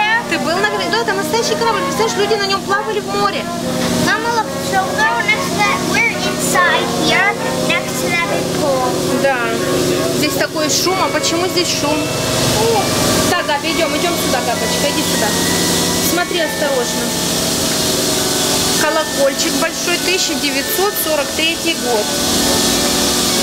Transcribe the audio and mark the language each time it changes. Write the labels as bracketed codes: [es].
[ru] Ты был на корабле? Да, это настоящий корабль. Представляешь, люди на нем плавали в море. [en] Мама, look, so we're inside here, next to that big pool. [ru] Да. Здесь такой шум, а почему здесь шум? Так, Габи, идем сюда, Габочка, иди сюда. Смотри осторожно. Колокольчик большой, 1943 год.